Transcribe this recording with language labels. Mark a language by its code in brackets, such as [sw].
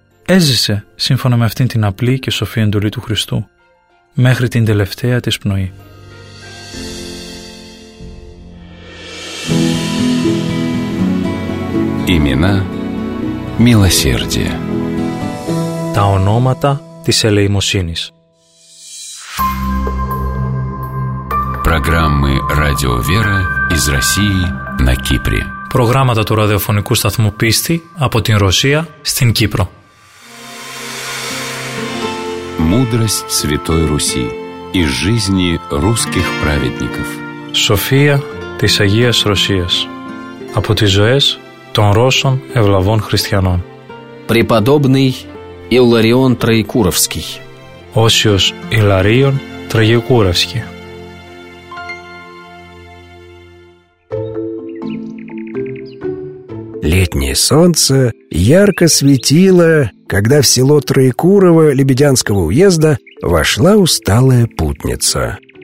[el] Έζησε σύμφωνα με αυτήν την απλή και σοφή εντολή του Χριστού μέχρι την τελευταία της πνοή. [ru] Имена милосердия. [el] Τα ονόματα της ελεημοσύνης. [ru] Программы Радио Вера из России на Кипре. [el] Προγράμματα του ραδιοφωνικού σταθμού Πίστη από την Ρωσία στην Κύπρο. [ru] Мудрость Святой Руси и жизни русских праведников. [el] София της Αγίας Ρωσίας. Από τις ζωές των Ρώσων ευλαβών χριστιανών. [ru] Преподобный Иларион Троекуровский. [el] Όσιος Иларион Троекуровский. [ru] Летнее солнце ярко светило, когда в село Троекурово Лебедянского уезда вошла усталая путница.